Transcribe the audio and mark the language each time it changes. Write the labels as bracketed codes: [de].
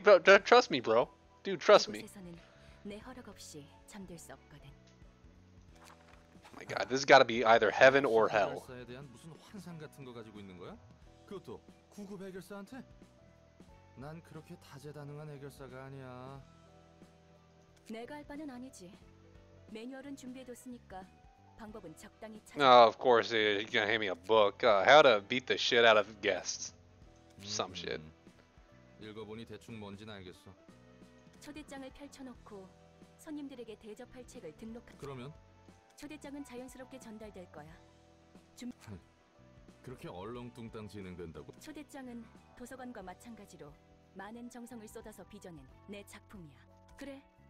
[en] Trust me, bro. Dude, trust me. [ko] 이곳에서는 내 허락 없이 잠들 수 없거든. [en] Oh my God, this has got to be either heaven or hell. [ko] 해결사에 대한 무슨 환상 같은 거 가지고 있는 거야? 그것도 구급 해결사한테? 난 그렇게 다재다능한 해결사가 아니야. 내가 할 바는 아니지. 매뉴얼은 준비해뒀으니까 방법은 적당히 찾아. [en] Oh, of course, you can hand me a book. How to beat the shit out of guests. Some shit. [ko] 읽어보니 대충 뭔진 알겠어. 초대장을 펼쳐놓고 손님들에게 대접할 책을 등록하. 그러면? 초대장은 자연스럽게 전달될 거야. 그렇게 얼렁뚱땅 진행된다고? 초대장은 도서관과 마찬가지로 많은 정성을 쏟아서 빚어낸 내 작품이야. 그래.